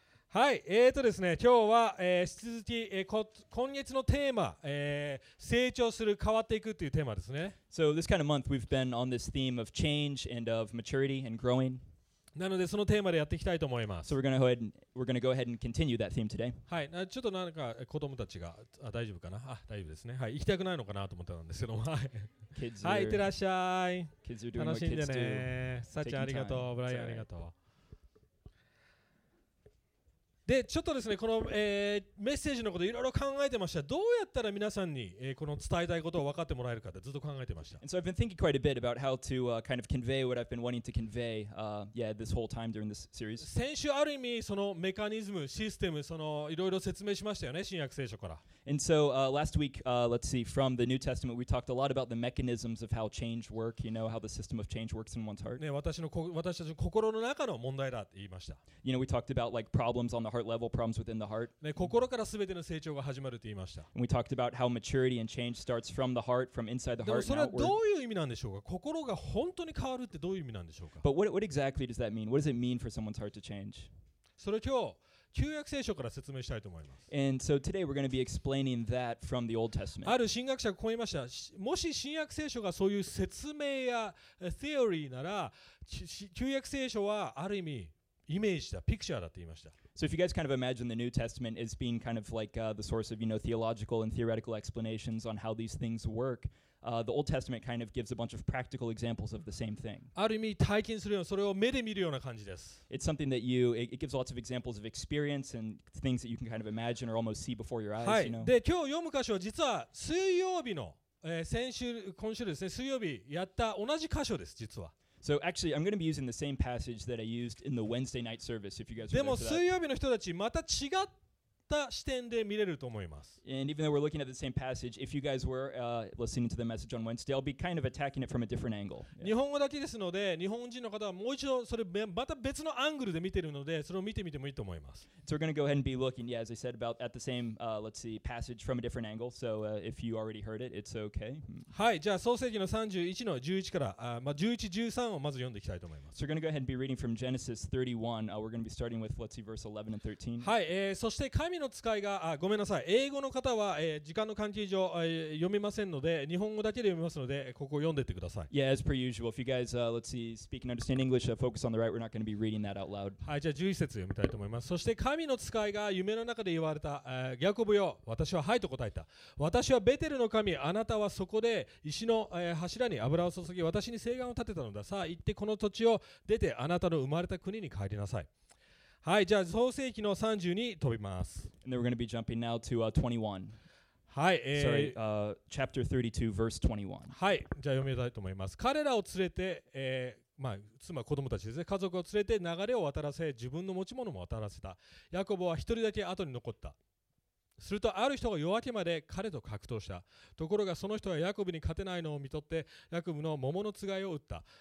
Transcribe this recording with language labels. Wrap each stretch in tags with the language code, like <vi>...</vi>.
<ja>はい、ですね、今日は、引き続き、今月のテーマ、成長する、変わっていくというテーマですね。</ja> <en>So this kind of month we've been on this theme of change and of maturity and growing.</en> <ja>なのでそのテーマでやっていきたいと思います。</ja> <en>So we're gonna go ahead and continue that theme today.</en> <ja>はい、ちょっとなんか子供たちが、あ、大丈夫かな？あ、大丈夫ですね。はい、行きたくないのかなと思ったんですけども、はい。</ja> <en>Kids</en> <ja>はい、いってらっしゃい。</ja> <en>Kids are doing what kids do.</en> <ja>楽しんでね。サッチャンありがとう、ブライアンありがとう。でちょっとですねこの、メッセージのこといろいろ考えてました。どうやったら皆さんに、この伝えたいことを分かってもらえるかってずっと考えてました。</ja> <en>And so I've been thinking quite a bit about how to、kind of convey what I've been wanting to convey、yeah, this whole time during this series.</en> <ja>先週ある意味そのメカニズム、システム、そのいろいろ説明しましたよね、新約聖書から。</ja> <en>And so、last week、let's see, from the New Testament we talked a lot about the mechanisms of how change work, you know, how the system of change works in one's heart.</en> <ja>ね、私たちの心の中の問題だって言いました。</ja> <en>You know, we talked about like problems on the heartlevel problems within the heart.</en> <ja>ね、心から全ての成長が始まると言いました。</ja> <en>And we talked about how maturity and change starts from the heart, from inside the heart and outward.</en> <ja>でもそれはどういう意味なんでしょうか？心が本当に変わるってどういう意味なんでしょうか？</ja> <en>But what exactly does that mean? What does it mean for someone's heart to change?</en> <ja>それを今日、旧約聖書から説明したいと思います。</ja> <en>And so today we're going to be explaining that from the Old Testament.</en> <ja>ある神学者がこう言いました。もし新約聖書がそういう説明や theory なら、旧約聖書はある意味イメージだ、ピクチャーだって言いました。</ja> <en>So if you guys kind of imagine the New Testament as being kind of like、the source of, you know, theological and theoretical explanations on how these things work,、the Old Testament kind of gives a bunch of practical examples of the same thing.</en> <ja>ある意味体験するような、それを目で見るような感じです。</ja> <en>It's something that you, it gives lots of examples of experience and things that you can kind of imagine or almost see before your eyes,</en> <ja>はい、</ja> <en>you know.</en> <ja>で、今日読む箇所は実は水曜日の、先週、今週ですね、水曜日やった同じ箇所です、実は。</ja> <en>So actually, I'm going to be using the same passage that I used in the Wednesday night service, if you guys remember that.</en> <ja>でも、水曜日の人たち、また違った視点で見れると思います。</ja> <en>And even though we're looking at the same passage, if you guys were、listening to the message on Wednesday, I'll be kind of attacking it from a different angle.、 Yeah.</en> <ja>日本語だけですので、日本人の方はもう一度それまた別のアングルで見てるので、それを見てみてもいいと思います。</ja> <en>So we're going to go ahead and be looking, yeah, as I said, about at the same,、let's see, passage from a different angle. So、if you already heard it, it's okay.</en> <ja>はい、じゃあ創世記の31の11から、11-13をまず読んでいきたいと思います。</ja> <en>So we're going to go ahead and be reading from Genesis 31.、we're going to be starting with, let's see, verse 11 and 13.</en> <ja>はい、そして神の使いが、ごめんなさい、英語の方は、時間の関係上、読みませんので、日本語だけで読みますので、ここを読んでいってください。</ja> <en>Yeah, as per usual, if you guys,、let's see, speak and understand English,、focus on the right, we're not going to be reading that out loud.</en> <ja>はい、じゃあ11節読みたいと思います。そして神の使いが夢の中で言われた、ヤコブよ、私ははいと答えた。私はベテルの神、あなたはそこで石の、柱に油を注ぎ、私に誓願を立てたのだ。さあ、行ってこの土地を出て、あなたの生まれた国に帰りなさい。はい、じゃあ創世記の30に飛びます。</ja> <en>And then we're going to be jumping now to 21.</en> <ja>はい、</ja> <en>chapter 32, verse 21.</en> <ja>はい、じゃあ読みたいと思います。彼らを連れて、まあ、妻、子供たちですね、家族を連れて流れを渡らせ、自分の持ち物も渡らせた。ヤコブは一人だけ後に残った。するとある人が夜明けまで彼と格闘した。ところがその人はヤコブに勝てないのを見取って、ヤコブの桃のつがいを打った。</ja>